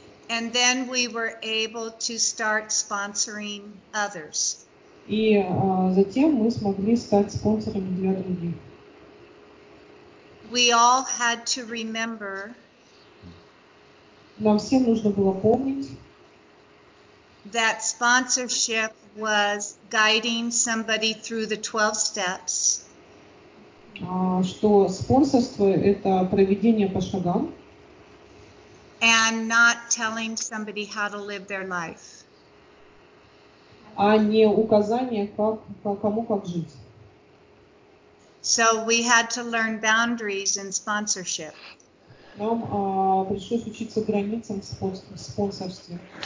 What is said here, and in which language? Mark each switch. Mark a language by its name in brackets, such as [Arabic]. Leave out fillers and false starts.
[English] And then we were able to start sponsoring others. [Russian] И затем мы смогли стать спонсорами для других. [English] We all had to remember. [Russian] Нам всем нужно было помнить. [English] That sponsorship was guiding somebody through the 12 steps. [Russian] Что спонсорство – это проведение по шагам. [English] And not telling somebody how to live their life. [Russian] А не указание, кому как жить. [English] So we had to learn boundaries in sponsorship. [Russian] Нам пришлось учиться границам в спонсорстве.